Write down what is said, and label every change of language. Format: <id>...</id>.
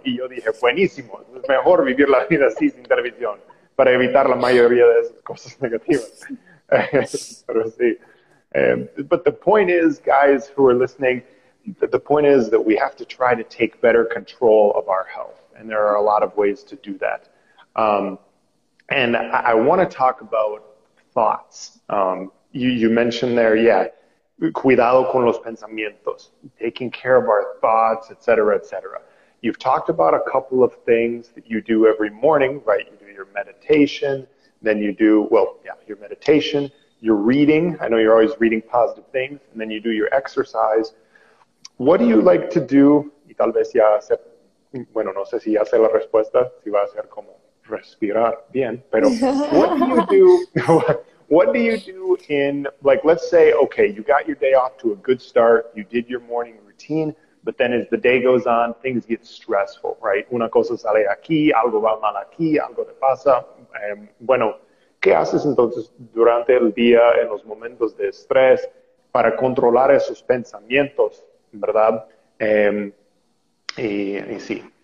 <es>Y yo dije, buenísimo, es mejor vivir la vida así sin televisión para evitar la mayoría de esas cosas negativas. Pero sí.</es> <en>But the point is, guys who are listening, the point is that we have to try to take better control of our health. And there are a lot of ways to do that. And I want to talk about thoughts. You mentioned there, yeah,</en> <es>cuidado con los pensamientos,</es> <en>taking care of our thoughts, et cetera, et cetera. You've talked about a couple of things that you do every morning, right? You do your meditation, then you do, well, yeah, your meditation. You're reading. I know you're always reading positive things, and then you do your exercise. What do you like to do?</en> <es>Y tal vez ya sé, bueno, no sé si ya sé la respuesta, si va a ser como respirar bien, pero</es> <en>what do you do? What do you do in, like, let's say, okay, you got your day off to a good start, you did your morning routine, but then as the day goes on, things get stressful, right?</en> <es>Una cosa sale aquí, algo va mal aquí, algo te pasa. Bueno, ¿qué haces entonces durante el día en los momentos de estrés? para controlar esos pensamientos, ¿verdad? Sí.</es>